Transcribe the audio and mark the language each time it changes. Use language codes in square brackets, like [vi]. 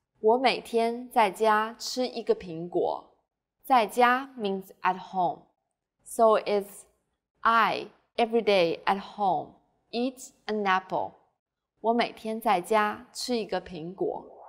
[zh] 我每天在家吃一个苹果。 [en] 在家 means at home. So it's I, every day at home, eat an apple. [zh] 我每天在家吃一个苹果。